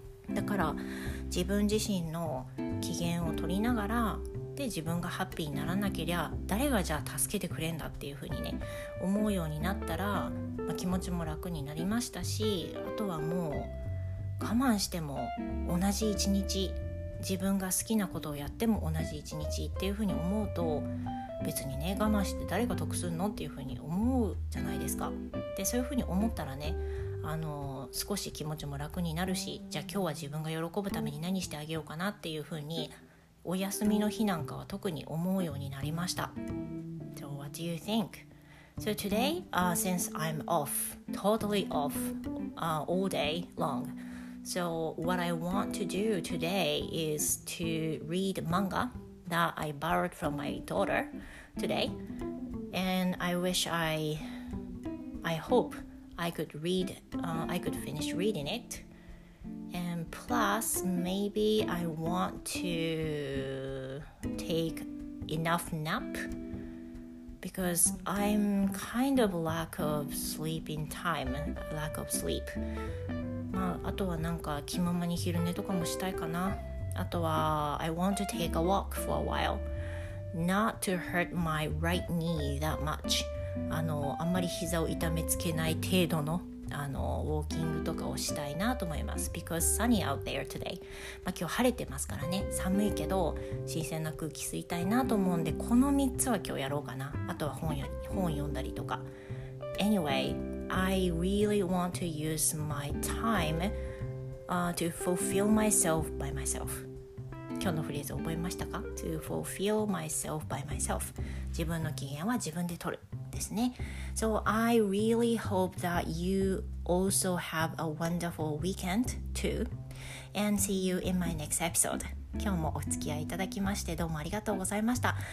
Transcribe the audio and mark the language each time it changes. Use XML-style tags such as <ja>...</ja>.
<ja>だから自分自身の機嫌を取りながら、で自分がハッピーにならなけりゃ誰がじゃあ助けてくれんだっていう風にね思うようになったら、気持ちも楽になりましたし、あとはもう我慢しても同じ一日、自分が好きなことをやっても同じ一日っていう風に思うと、別にね我慢して誰が得するのっていう風に思うじゃないですか。でそういう風に思ったらね、少し気持ちも楽になるし、じゃあ今日は自分が喜ぶために何してあげようかなっていう風に、お休みの日なんかは特に思うようになりました。</ja> <en>So what do you think? So today, since I'm off, totally off, all day long, so what I want to do today is to read manga that I borrowed from my daughter today, and I wish I hope I could read, I could finish reading it. And plus, maybe I want to take enough nap because I'm kind of lack of sleep in time, lack of sleep.</en> <ja>まあ、あとはなんか気ままに昼寝とかもしたいかな。あとは</ja> <en>I want to take a walk for a while. Not to hurt my right knee that much.</en> <ja>あんまり膝を痛めつけない程度のウォーキングとかをしたいなと思います。</ja> <en>Because sunny out there today、</en> <ja>まあ、今日晴れてますからね、寒いけど新鮮な空気吸いたいなと思うんで、この3つは今日やろうかな。あとは 本読んだりとか。</ja> <en>Anyway, I really want to use my time、to fulfill myself by myself.</en> <ja>今日のフレーズ覚えましたか？</ja> <en>To fulfill myself by myself.</en> <ja>自分の機嫌は自分で取るですね。</ja> <en>So I really hope that you also have a wonderful weekend too. And see you in my next episode.</en> <ja>今日もお付き合いいただきましてどうもありがとうございました。</ja>